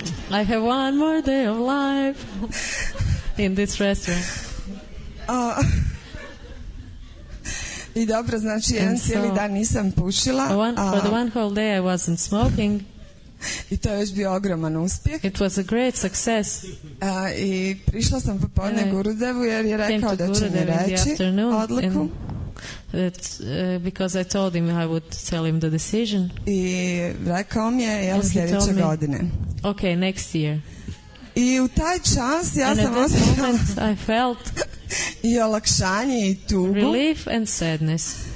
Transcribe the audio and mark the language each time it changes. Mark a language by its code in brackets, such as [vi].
[en] I have one more day of life in this restaurant. [hr] I dobro, znači jedan cijeli dan nisam pušila. [en] For the one whole day I wasn't smoking. [hr] I to je još bio ogroman uspjeh. [en] It was a great success. [hr] I prišla sam popodne Gurudevu jer je rekao da će mi reći odluku. [en] That, because I told him I would tell him the decision. [hr] I rekao mi je, jel, sljedeće godine. [en] Okay, next year. [hr] I u taj čas ja [en] and [hr] sam osjećala [en] I felt [hr] i olakšanje i tugu. [en] Relief and sadness.